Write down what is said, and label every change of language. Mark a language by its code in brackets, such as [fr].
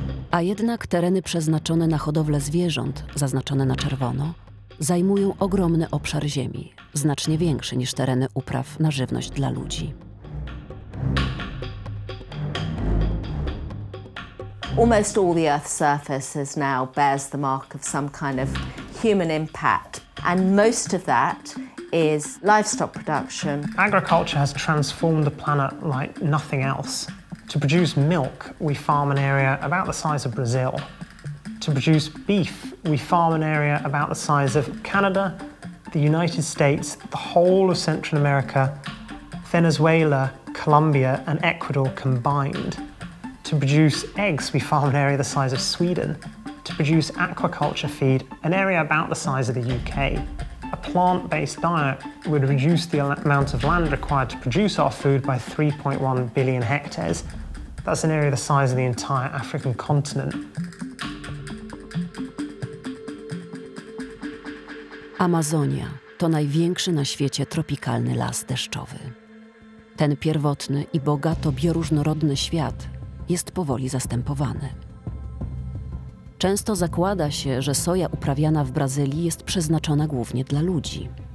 [pl] A jednak tereny przeznaczone na hodowlę zwierząt, zaznaczone na czerwono, zajmują ogromny obszar ziemi, znacznie większy niż tereny upraw na żywność dla ludzi. [en] Almost all the Earth's surface is now bears the mark of some kind of human impact, and most of that is livestock production. Agriculture has transformed the planet like nothing else. To produce milk, we farm an area about the size of Brazil. To produce beef, we farm an area about the size of Canada, the United States, the whole of Central America, Venezuela, Colombia, and Ecuador combined. To produce eggs, we farm an area the size of Sweden. To produce aquaculture feed, an area about the size of the UK. A plant-based diet would reduce the amount of land required to produce our food by 3.1 billion hectares. That's an area the size of the entire African continent. [pl] Amazonia to największy na świecie tropikalny las deszczowy. Ten pierwotny i bogato bioróżnorodny świat jest powoli zastępowany. Często zakłada się, że soja uprawiana w Brazylii jest przeznaczona głównie dla ludzi.